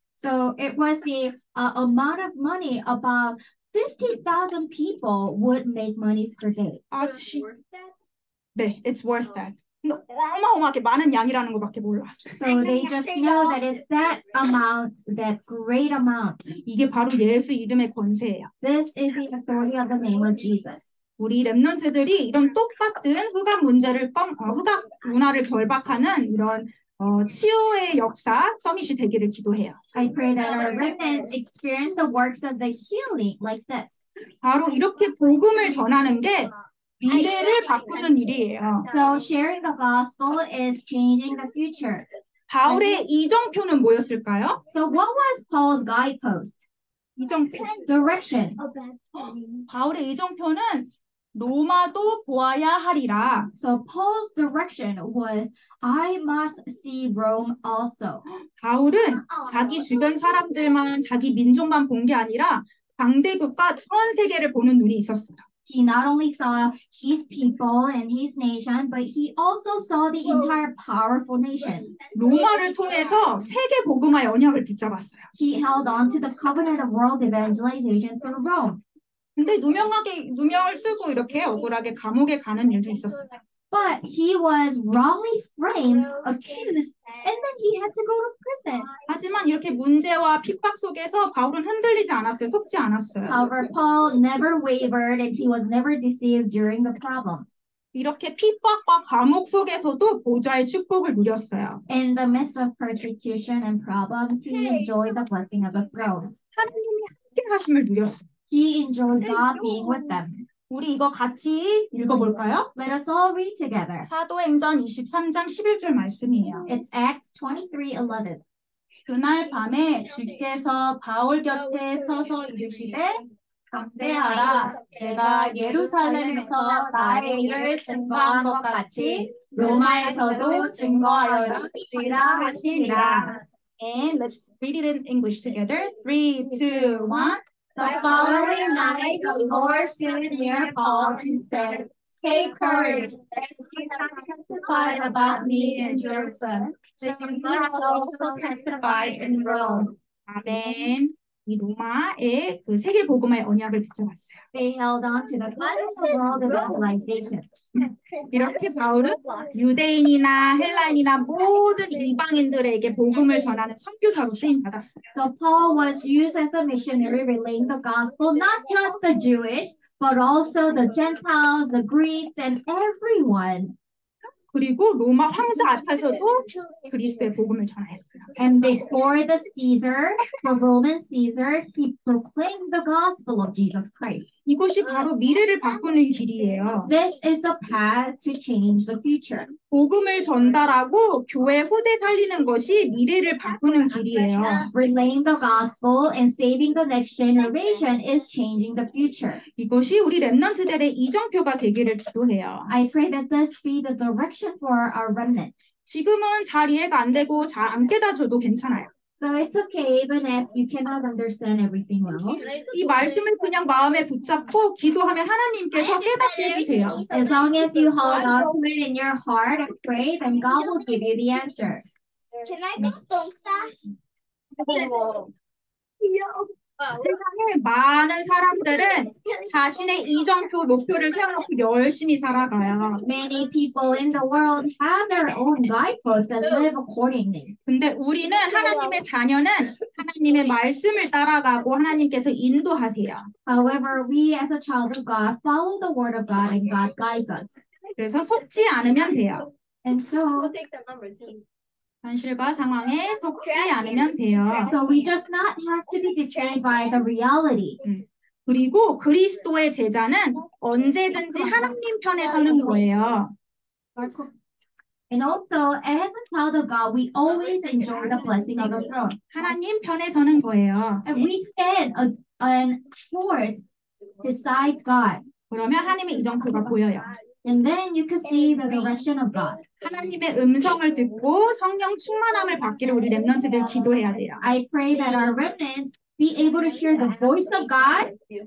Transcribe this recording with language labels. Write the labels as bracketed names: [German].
[English] So it was the amount of money about 50,000 people would make money per day. It's worth that. [Korean] 어마어마하게 많은 양이라는 것밖에 몰라. [English] So they just know that it's that amount, that great amount. [Korean] 이게 바로 예수 이름의 권세예요. [English] This is the authority of the name of Jesus. [Korean] 우리 렘넌트들이 이런 똑같은 흑암 문제를 흑암 문화를 결박하는 이런 치유의 역사 서밋이 되기를 기도해요. [English] I pray that our remnants experience the works of the healing like this. [Korean] 바로 이렇게 복음을 전하는 게 미래를 바꾸는 일이에요. [English] So sharing the gospel is changing the future. [Korean] 바울의 이정표는 뭐였을까요? [English] So what was Paul's guidepost? [Korean] 이정표. [English] Direction. [Korean] 바울의 이정표는 로마도 보아야 하리라. [English] So Paul's direction was I must see Rome also. [Korean] 바울은 자기 주변 사람들만 자기 민족만 본 게 아니라 강대국과 전 세계를 보는 눈이 있었어요. [English] He not only saw his people and his nation, but he also saw the entire powerful nation. [Korean] 로마를 통해서 세계 복음화의 언약을 붙잡았어요. [English] He held on to the covenant of world evangelization through Rome. [Korean] 근데 누명을 쓰고 이렇게 억울하게 감옥에 가는 일도 있었어요. [English] But he was wrongly framed, accused, and then he had to go to prison. [Korean] 하지만 이렇게 문제와 핍박 속에서 바울은 흔들리지 않았어요. 속지 않았어요. [English] However, Paul never wavered and he was never deceived during the problems. [Korean] 이렇게 핍박과 감옥 속에서도 보좌의 축복을 누렸어요. [English] In the midst of persecution and problems, he enjoyed the blessing of the throne. [Korean] 하나님이 함께 하심을 누렸어요. [English] He enjoyed God being with them. [Korean] 우리 이거 같이 읽어볼까요? [English] Let us all read together. [Korean] 사도행전 23장 11절 말씀이에요. [English] It's Acts 23:11. [Korean] 그날 밤에 주께서 바울 곁에 서서 이르시되 담대하라, 내가 예루살렘에서 나의 일을 증거한 것 같이 로마에서도 증거하여라 하시니라. [English] And let's read it in English together. 3, 2, 1. The following night, the Lord stood near Paul and said, Take courage, as you have testified about me in Jerusalem, so you must also testify in Rome. Amen. [Korean] 이 로마의 그 세계 복음화의 언약을 붙잡았어요. [English] They held on to the promise of world evangelization. [Korean] 이렇게 바울은 유대인이나 헬라인이나 모든 이방인들에게 복음을 전하는 선교사로 쓰임 받았어요. [English] So Paul was used as a missionary relaying the gospel not just the Jewish but also the Gentiles, the Greeks and everyone. [Korean] 그리고 로마 황제 앞에서도 그리스도의 복음을 전하였어요. [English] And before the Caesar, the Roman Caesar, he proclaimed the gospel of Jesus Christ. [Korean] 이것이 바로 미래를 바꾸는 길이에요. [English] This is the path to change the future. [Korean] 복음을 전달하고 교회 후대 살리는 것이 미래를 바꾸는 길이에요. [English] Relaying the gospel and saving the next generation is changing the future. [Korean] 이것이 우리 렘넌트들의 이정표가 되기를 기도해요. [English] I pray that this be the direction for our remnant. [Korean] 지금은 잘 이해가 안 되고 잘 안 깨닫아도 괜찮아요. [English] So it's okay even if you cannot understand everything well. [Korean] 이 말씀을 그냥 마음에 붙잡고 기도하면 하나님께서 깨닫게 해주세요. [English] As long as you hold on to it in your heart and pray, then God will give you the answers. Can I get [Korean] a 세상에 많은 사람들은 자신의 이정표 목표를 세워놓고 열심히 살아가요. [English] Many people in the world have their own guideposts and live accordingly. [Korean] 근데 우리는 하나님의 자녀는 하나님의 말씀을 따라가고 하나님께서 인도하세요. [English] However, we as a child of God follow the word of God and God guides us. [Korean] 그래서 속지 않으면 돼요. [English] And so [Korean] 현실과 상황에 속지 않으면 돼요. [English] So we just not have to be deceived by the reality. [Korean] 그리고 그리스도의 제자는 언제든지 하나님 편에 서는 거예요. [English] And also, as a child of God, we always enjoy the blessing of the throne. [Korean] 하나님 편에 서는 거예요. [English] And we stand on towards besides God. [Korean] 그러면 하나님의 이정표가 보여요. [English] And then you can see the direction of God. [Korean] 하나님의 음성을 듣고 성령 충만함을 받기를 우리 렘넌트들 기도해야 돼요. [English] I pray that our remnants be able to hear the voice of God.